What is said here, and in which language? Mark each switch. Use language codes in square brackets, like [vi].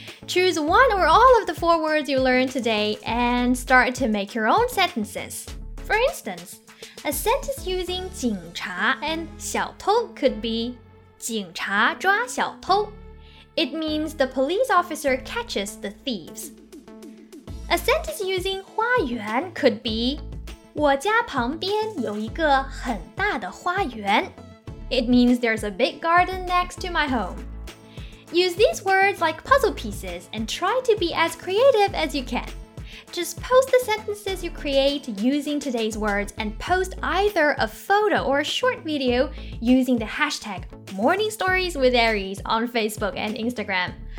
[en] Choose one or all of the four words you learned today and start to make your own sentences. For instance, a sentence using 警察 and 小偷 could be [zh] 警察抓小偷。 [en] It means the police officer catches the thieves. A sentence using 花园 could be [zh] 我家旁边有一个很大的花园。 [en] It means there's a big garden next to my home. Use these words like puzzle pieces and try to be as creative as you can. Just post the sentences you create using today's words and post either a photo or a short video using the hashtag MorningStoriesWithAries on Facebook and Instagram.